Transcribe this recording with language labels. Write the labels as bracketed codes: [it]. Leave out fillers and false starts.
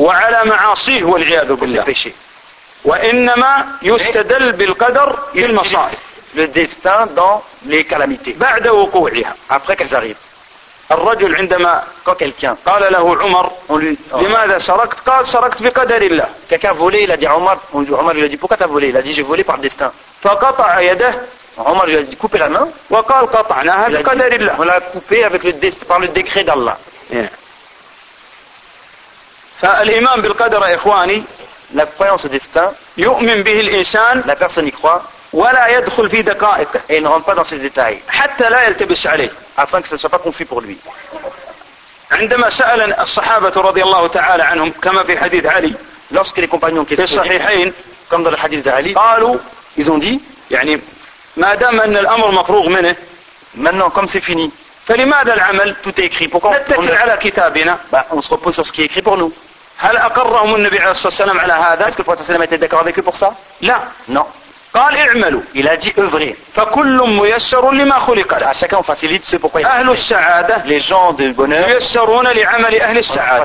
[ar] وعلى معاصيه والعياذ بالله [fr] pour ses péchés [ar] وإنما يستدل بالقدر في المصائب [fr] le destin dans les calamités [ar] بعد وقوعها [fr] après qu'elles arrivent [ar] الرجل عندما [fr] quand quelqu'un [ar] قال له عمر لماذا سرقت قال سرقت بقدر الله [fr] quelqu'un volé il a dit عمر عمر il a dit pourquoi t'as volé il a dit j'ai volé par destin [ar] فقطع يده [fr] Omar lui a dit couper la main. [ar] وقال قطعناها بقدر الله. [fr] On l'a coupé avec le par le décret d'Allah. [ar] فالإيمان بالقدر إخواني [fr] la croyance au destin [ar] يؤمن به الإنسان [fr] la personne y croit [ar] ولا يدخل في دقائق [fr] et il ne rentre pas dans ses détails [ar] حتى لا يلتبس عليه [fr] afin que ce ne soit pas confus pour lui. [ar] عندما سأل الصحابة رضي الله تعالى عنهم كما في حديث علي [fr] lorsque les compagnons qui sont صحيحين comme dans le hadith d'Ali [ar] قالوا [fr] ils ont dit [ar] يعني ما دام أن الأمر مفروغ منه [fr] maintenant comme c'est fini [ar] فلماذا العمل [fr] tout est écrit pourquoi [ar] نتكل على كتابنا [fr] bah, on se repose sur ce qui est écrit pour nous [ar] هل أقرهم النبي عليه الصلاة والسلام على هذا [fr] est-ce que le prophète [ar] صلى الله عليه وسلم [fr] était d'accord avec eux pour ça [ar] لا [fr] non [ar] قال اعملوا [fr] il a dit œuvrez [ar] فكل ميسر لما خلق [fr] à chacun on facilite ce pourquoi [ar] il أهل السعادة [fr] les gens de bonheur [ar] ميسرون لعمل أهل السعادة